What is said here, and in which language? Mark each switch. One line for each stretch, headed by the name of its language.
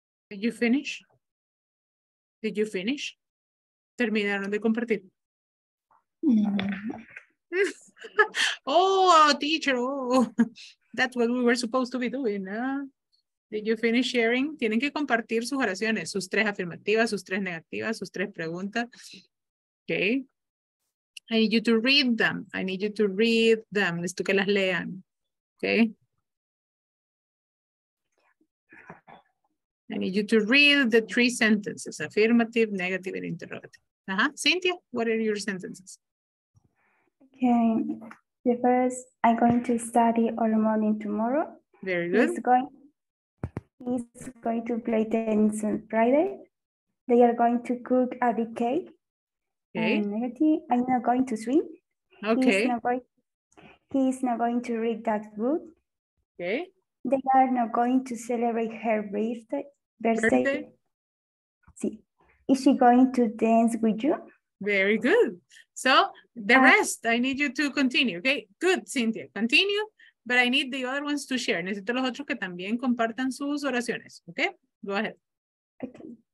English: Did you finish? Did you finish?
Spanish: ¿Terminaron de compartir?
English: No. Oh, teacher, oh, that's what we were supposed to be doing. Did you finish sharing?
Spanish: Tienen que compartir sus oraciones, sus tres afirmativas, sus tres negativas, sus tres preguntas.
English: Okay. I need you to read them. I need you to read them.
Spanish: Necesito que las lean. Okay.
English: I need you to read the three sentences, affirmative, negative, and interrogative. Uh-huh. Cynthia, what are your sentences? Okay, the first, I'm going to study all morning tomorrow. Very good. He's going to play tennis on Friday. They are going to cook a big cake. Okay. I'm not going to swim. Okay. He's not going to read that book. Okay. They are not going to celebrate her birthday. Is she going to dance with you? Very good. So the rest, I need you to continue. Okay, good, Cynthia. Continue, but I need the other ones to share.
Spanish: Necesito los otros que también compartan sus oraciones.
English: Okay, go ahead. Okay.